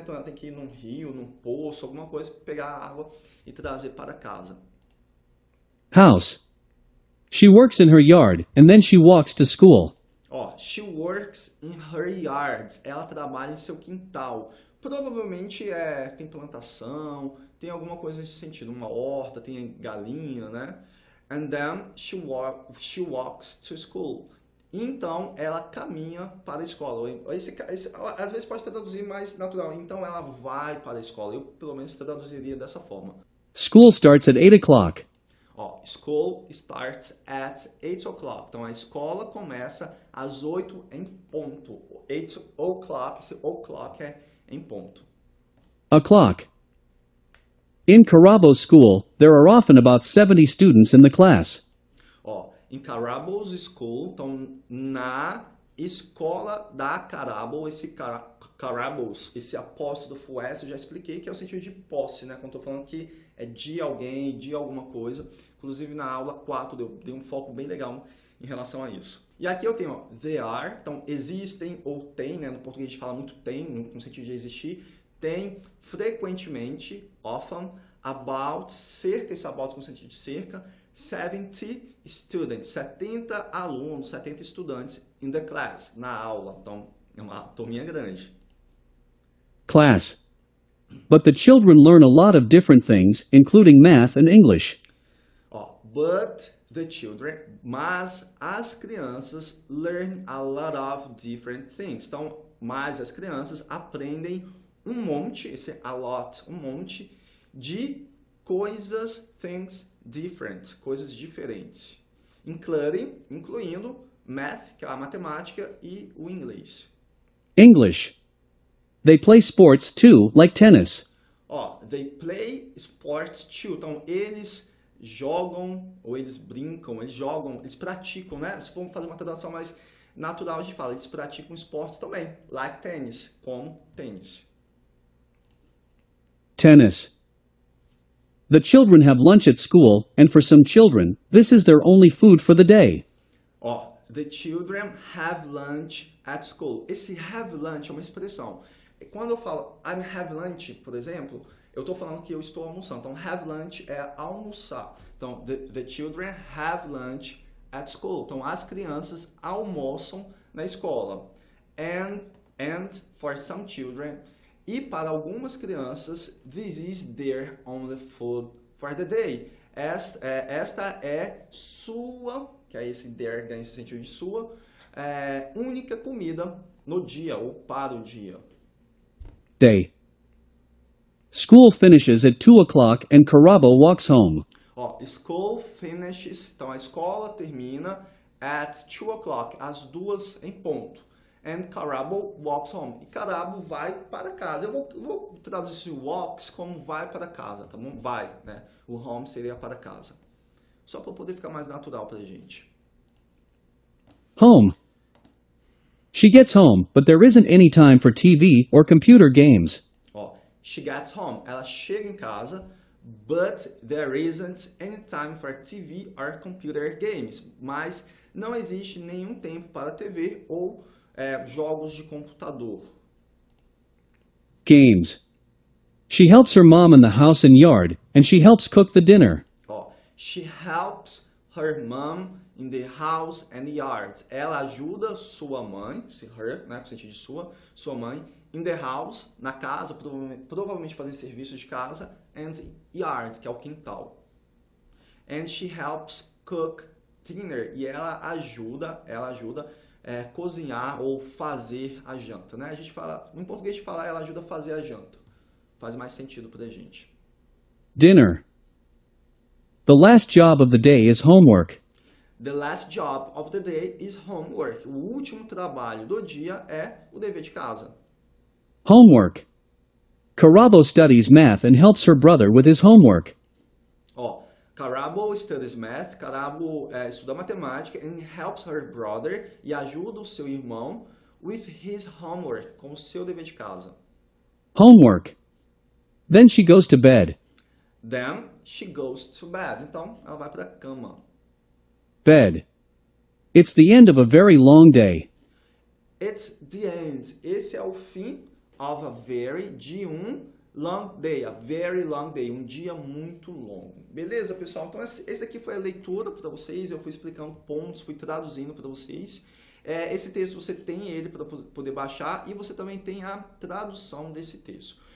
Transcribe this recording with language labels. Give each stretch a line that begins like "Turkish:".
Portuguese: Então ela tem que ir num rio, num poço, alguma coisa, pegar água e trazer para casa.
English: House. She works in her yard and then she walks to school. Ó, she works in her yard.
Portuguese: Ela trabalha em seu quintal. Provavelmente é, tem plantação, tem alguma coisa nesse sentido. Uma horta, tem galinha, né?
English: And then she walks to school.
Portuguese: Então, ela caminha para a escola. Às vezes pode traduzir mais natural. Então, ela vai para a escola. Eu, pelo menos, traduziria dessa forma.
English: School starts at 8 o'clock.
Portuguese: Ó,
English: school starts at 8 o'clock.
Portuguese: Então, a escola começa às 8 em ponto. 8 o'clock. Esse o'clock é em ponto.
English: O'clock. In Carabo's school, there are often about 70 students in the class. In Carabo's school,
Portuguese: então na escola da Carabo, esse Carabo's, esse apóstrofo S, eu já expliquei que é o sentido de posse, né? Quando eu tô falando que é de alguém, de alguma coisa. Inclusive na aula 4 eu dei um foco bem legal em relação a isso. E aqui eu tenho, ó,
English: there are,
Portuguese: então existem ou tem, né? No português a gente fala muito tem, no sentido de existir. Tem frequentemente, often, about, cerca, esse about com sentido de cerca,
English: 70 students,
Portuguese: 70 alunos, 70 estudantes
English: in the class,
Portuguese: na aula. Então, é uma turminha grande.
English: Class. But the children learn a lot of different things, including math and English. Oh, but the children,
Portuguese: mas as crianças
English: learn a lot of different things.
Portuguese: Então, mas as crianças aprendem um monte, esse
English: a lot,
Portuguese: um monte, de coisas,
English: things different,
Portuguese: coisas diferentes, incluindo math, que é a matemática, e o inglês.
English: English. They play sports too, like tennis. Oh, they play sports too.
Portuguese: Então, eles jogam, ou eles brincam, eles jogam, eles praticam, né? Se for fazer uma tradução mais natural, a gente fala, eles praticam esportes também,
English: like tennis,
Portuguese: como tênis.
English: Tennis. The children have lunch at school, and for some children, this is their only food for the day. Oh, the children have lunch at school.
Portuguese: Esse have lunch é uma expressão. Quando eu falo
English: I'm have lunch,
Portuguese: por exemplo, eu estou falando que eu estou almoçando. Então,
English: have lunch
Portuguese: é almoçar. Então,
English: the children have lunch at school.
Portuguese: Então, as crianças almoçam na escola. And for some children, e para algumas crianças, this is their only food for the day. Esta é sua, que é esse their, ganha esse sentido de sua, é, única comida no dia ou para o dia.
English: Day. School finishes at 2 o'clock and Carabo walks home.
Portuguese: Oh,
English: school finishes,
Portuguese: então a escola termina
English: at 2 o'clock,
Portuguese: às 2 em ponto.
English: And Carabo walks home.
Portuguese: E Carabo vai para casa. Eu vou traduzir esse walks como vai para casa, tá bom? Vai, né? O home seria para casa. Só para poder ficar mais natural para a gente.
English: Home. She gets home, but there isn't any time for TV or computer games. Oh, she gets home.
Portuguese: Ela chega em casa,
English: but there isn't any time for TV or computer games.
Portuguese: Mas não existe nenhum tempo para TV ou jogos de computador.
English: Games. She helps her mom in the house and yard, and she helps cook the dinner. Oh, She helps her mom in the house and yard.
Portuguese: Ela ajuda sua mãe, se her, né, no sentido de sua mãe,
English: in the house,
Portuguese: na casa, provavelmente fazendo serviço de casa,
English: and yard,
Portuguese: que é o quintal.
English: And she helps cook dinner.
Portuguese: E ela ajuda cozinhar ou fazer a janta, né? A gente fala, em português a gente fala, ela ajuda a fazer a janta. Faz mais sentido pra gente.
English: Dinner. The last job of the day is homework. The last job of the day is homework.
Portuguese: O último trabalho do dia é o dever de casa.
English: Homework. Carabo studies math and helps her brother with his homework. Carabo studies math.
Portuguese: Carabo estuda matemática
English: and helps her brother
Portuguese: e ajuda o seu irmão
English: with his homework,
Portuguese: com o seu dever de casa.
English: Homework. Then she goes to bed. Then she goes to bed.
Portuguese: Então, ela vai para a cama.
English: Bed. It's the end of a very long day. It's the end.
Portuguese: Esse é o fim
English: of a very,
Portuguese: de um
English: long day, a very long day,
Portuguese: um dia muito longo. Beleza, pessoal? Então, esse aqui foi a leitura para vocês, eu fui explicando pontos, fui traduzindo para vocês. Esse texto, você tem ele para poder baixar e você também tem a tradução desse texto.